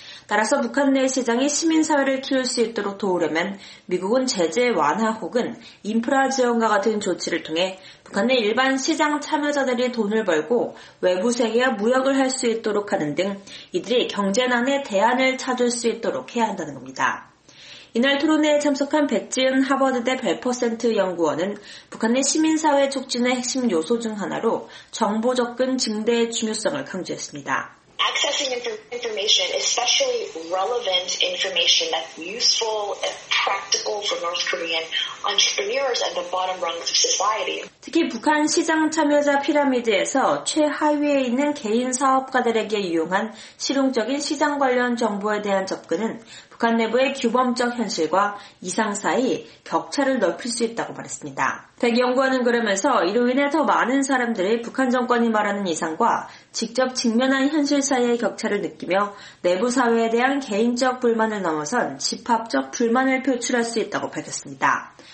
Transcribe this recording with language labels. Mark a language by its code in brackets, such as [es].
[ko] 따라서 북한 내 시장이 시민사회를 키울 수 있도록 도우려면 미국은 제재 완화 혹은 인프라 지원과 같은 조치를 통해 북한 내 일반 시장 참여자들이 돈을 벌고 외부 세계와 무역을 할 수 있도록 하는 등 이들이 경제난에 대안을 찾을 수 있도록 해야 한다는 겁니다. 이날 토론회에 참석한 백지은 하버드대 벨퍼센트 연구원은 북한 내 시민사회 촉진의 핵심 요소 중 하나로 정보 접근 증대의 중요성을 강조했습니다. [en] Accessing information, especially relevant information that's useful and practical for North Korean entrepreneurs at the bottom rungs of society. [ko] 특히 북한 시장 참여자 피라미드에서 최하위에 있는 개인 사업가들에게 유용한 실용적인 시장 관련 정보에 대한 접근은 북한 내부의 규범적 현실과 이상 사이 격차를 넓힐 수 있다고 말했습니다. 백 연구원은 그러면서 이로 인해 더 많은 사람들이 북한 정권이 말하는 이상과 직접 직면한 현실 사이의 격차를 느끼며 내부 사회에 대한 개인적 불만을 넘어선 집합적 불만을 표출할 수 있다고 밝혔습니다.